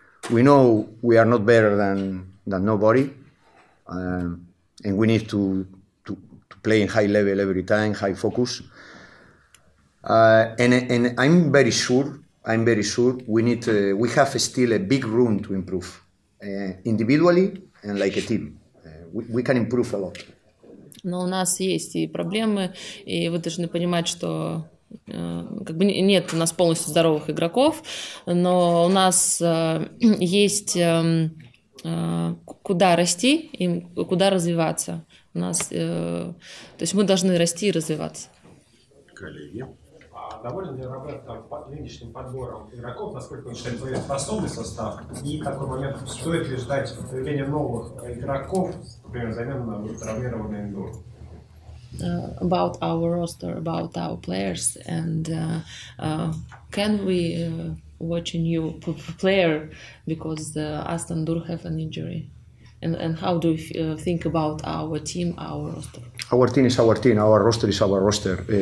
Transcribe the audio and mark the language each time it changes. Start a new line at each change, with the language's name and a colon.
English: We know we are not better than nobody. And we need to play in high level every time, high focus. And I'm very sure we need to, we have still a big room to improve individually and like a team. We can improve a lot.
Russian: Но у нас есть и проблемы, и вы должны понимать, что как бы нет у нас полностью здоровых игроков, но у нас есть куда расти и куда развиваться. У нас, то есть мы должны расти и развиваться. Коллеги. А доволен ли Роберто нынешним подбором игроков, насколько он считает, более способный состав? И такой момент, стоит ли ждать появления новых игроков, например, замену на травмированный Эндур?
English: About our roster, about our players, and can we watch a new player because Aston do have an injury, and how do you think about our team, our roster? Our team is our team. Our roster is our roster.